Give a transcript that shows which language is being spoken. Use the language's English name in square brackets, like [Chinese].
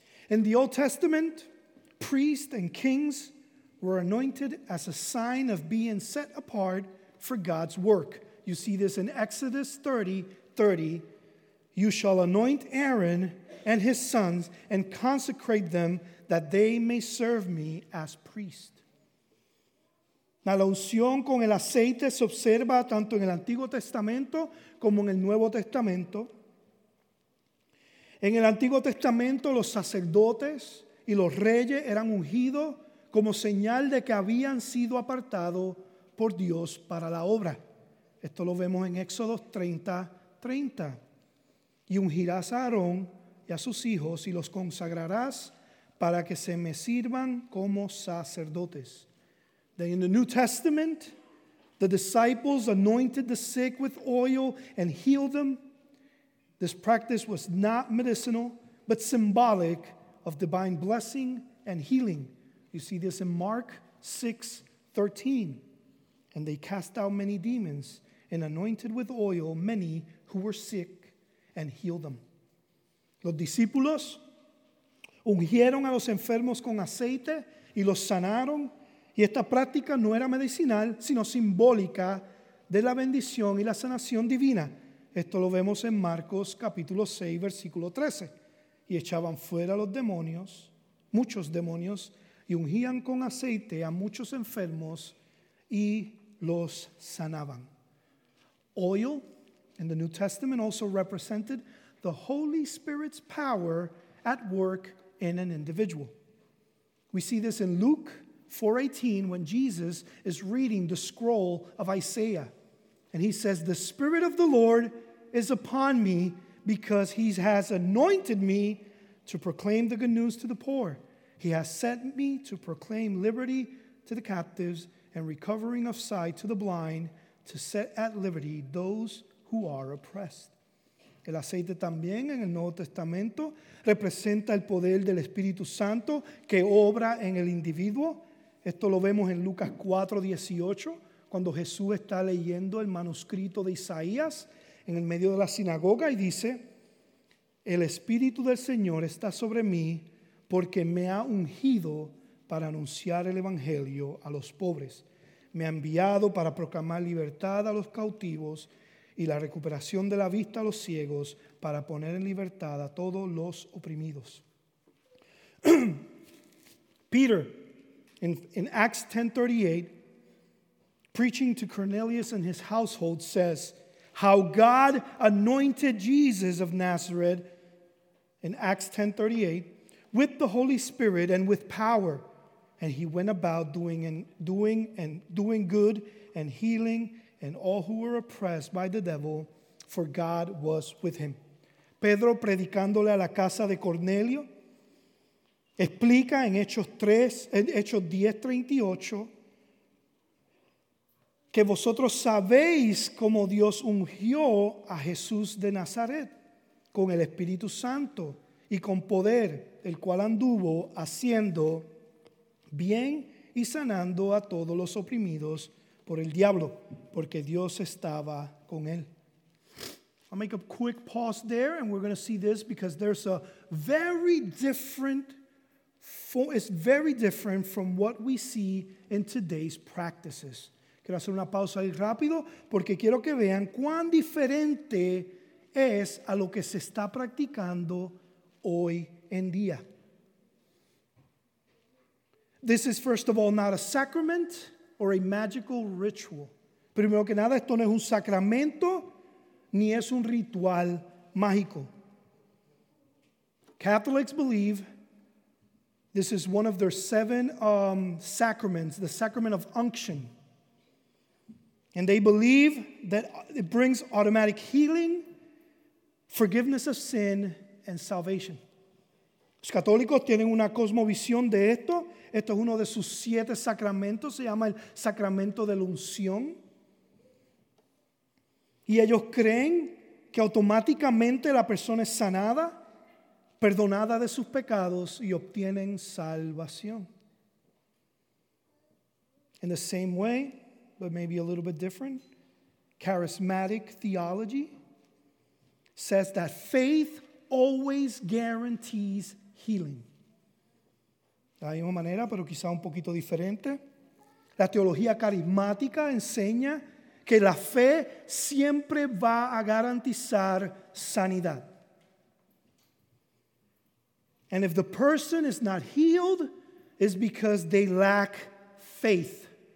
[English] In the Old Testament, priests and kings were anointed as a sign of being set apart for God's work. You see this in Exodus 30:30. You shall anoint Aaron and his sons and consecrate them that they may serve me as priest. [Spanish] Now, la unción con el aceite se observa tanto en el Antiguo Testamento como en el Nuevo Testamento. En el Antiguo Testamento, los sacerdotes y los reyes eran ungidos como señal de que habían sido apartados por Dios para la obra. Esto lo vemos en Éxodo 30:30. Y ungirás a Aarón y a sus hijos y los consagrarás para que se me sirvan como sacerdotes. [English] Then in the New Testament, the disciples anointed the sick with oil and healed them. This practice was not medicinal, but symbolic of divine blessing and healing. You see this in Mark 6:13. And they cast out many demons and anointed with oil many who were sick and healed them. [Spanish] Los discípulos ungieron a los enfermos con aceite y los sanaron. Y esta práctica no era medicinal, sino simbólica de la bendición y la sanación divina. Esto lo vemos en Marcos capítulo 6, versículo 13. Y echaban fuera los demonios, muchos demonios, y ungían con aceite a muchos enfermos y los sanaban. [English] Oil in the New Testament also represented the Holy Spirit's power at work in an individual. We see this in Luke 4:18 when Jesus is reading the scroll of Isaiah. And he says, "The Spirit of the Lord is upon me because he has anointed me to proclaim the good news to the poor. He has sent me to proclaim liberty to the captives and recovering of sight to the blind, to set at liberty those who are oppressed. [Spanish] El aceite también en el Nuevo Testamento representa el poder del Espíritu Santo que obra en el individuo. Esto lo vemos en Lucas 4:18, cuando Jesús está leyendo el manuscrito de Isaías en el medio de la sinagoga y dice, el Espíritu del Señor está sobre mí porque me ha ungido para anunciar el Evangelio a los pobres. Me ha enviado para proclamar libertad a los cautivos y la recuperación de la vista a los ciegos para poner en libertad a todos los oprimidos. [English] Peter, in Acts 10:38, preaching to Cornelius and his household, says how God anointed Jesus of Nazareth in Acts 10:38 with the Holy Spirit and with power, and he went about doing good and healing and all who were oppressed by the devil, for God was with him. [Spanish] Pedro, predicándole a la casa de Cornelio, explica en Hechos 10:38 que vosotros sabéis cómo Dios ungió a Jesús de Nazaret con el Espíritu Santo y con poder, el cual anduvo haciendo bien y sanando a todos los oprimidos por el diablo, porque Dios estaba con él. [English] I'll make a quick pause there, and we're going to see this because there's a very different, it's very different from what we see in today's practices. [Spanish] Quiero hacer una pausa ahí rápido porque quiero que vean cuán diferente es a lo que se está practicando hoy en día. [English] This is, first of all, not a sacrament or a magical ritual. [Spanish] Primero que nada, esto no es un sacramento ni es un ritual mágico. [English] Catholics believe this is one of their seven sacraments, the sacrament of unction. And they believe that it brings automatic healing, forgiveness of sin, and salvation. [Spanish] Los católicos tienen una cosmovisión de esto. Esto es uno de sus siete sacramentos. Se llama el sacramento de la unción. Y ellos creen que automáticamente la persona es sanada, perdonada de sus pecados y obtienen salvación. [English] In the same way, but maybe a little bit different, charismatic theology says that faith always guarantees healing. [Spanish] De la misma manera, pero quizá un poquito diferente, la teología carismática enseña que la fe siempre va a garantizar sanidad. [English] And if the person is not healed, it's because they lack faith.